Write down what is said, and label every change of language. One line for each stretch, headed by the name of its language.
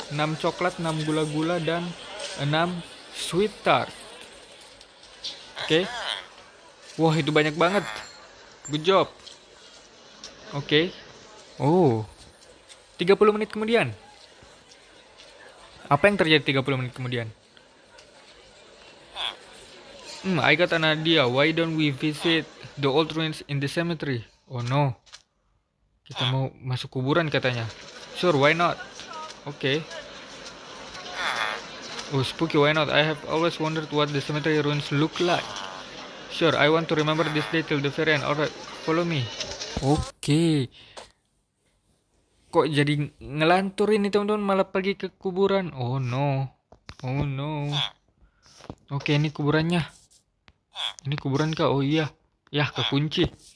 Indonesian: 6 coklat, 6 gula-gula, dan 6 sweet tart. Oke. Wah, itu banyak banget.
English: Good job.
Indonesian: Oke. Oh. 30 menit kemudian. Apa yang terjadi 30 menit kemudian?
English: I got an idea. Why don't we visit the old ruins in the cemetery? Oh no.
Indonesian: Kita mau masuk kuburan katanya.
English: Sure, why not? Okay. Oh, spooky, why not? I have always wondered what the cemetery ruins look like. Sure, I want to remember this day till the very end. Alright, follow me. Okay.
Indonesian: Kok jadi ngelantur ini teman-teman, malah pergi ke kuburan?
English: Oh no. Oh no. Okay,
Indonesian: ini kuburannya. Ini kuburan kah? Oh iya. Yah, kekunci.